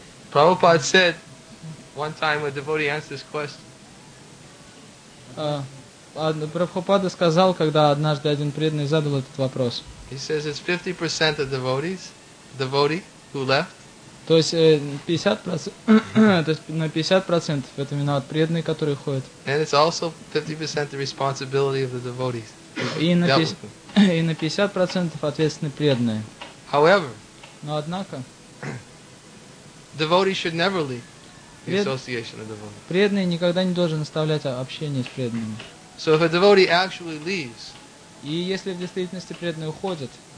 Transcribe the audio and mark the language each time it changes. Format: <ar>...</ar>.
<en>Prabhupada said one time a devotee asked this question.</en> <ru>Прабхупада сказал, когда однажды один преданный задал этот вопрос.</ru> <en>He says it's 50% of devotee who left.</en> <ru>То есть 50%, то есть на 50% это виноват преданный, который уходит.</ru> <en>And it's also 50% the responsibility of the devotees.</en> <ru>И на 50% ответственны преданные.</ru> <en>However,</en> <ru>но однако,</ru> <en>devotee should never leave the association of devotees.</en> <ru>Преданный никогда не должен оставлять общение с преданными.</ru> <en>So if a devotee actually leaves,</en> <ru>и если в действительности преданный уходит,</ru>